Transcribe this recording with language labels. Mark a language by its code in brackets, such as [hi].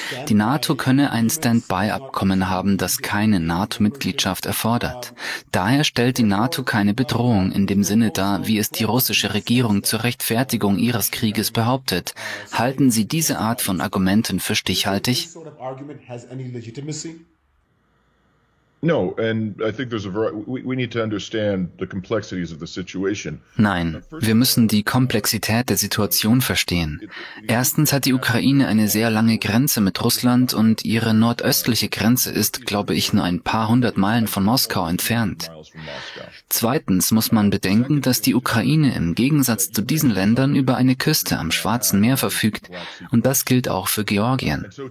[de] Die NATO könne ein Stand-by-Abkommen haben, das keine NATO-Mitgliedschaft erfordert. Daher stellt die NATO keine Bedrohung in dem Sinne dar, wie es die russische Regierung zur Rechtfertigung ihres Krieges behauptet. Halten Sie diese Art von Argumenten für stichhaltig? [en] Argument has any legitimacy? No, and I think there's a we need to understand the complexities of the situation. [de] Nein, wir müssen die Komplexität der Situation verstehen. Erstens hat die Ukraine eine sehr lange Grenze mit Russland und ihre nordöstliche Grenze ist, glaube ich, nur ein paar hundert Meilen von Moskau entfernt. Zweitens muss man bedenken, dass die Ukraine im Gegensatz zu diesen Ländern über eine Küste am Schwarzen Meer verfügt und das gilt auch für Georgien.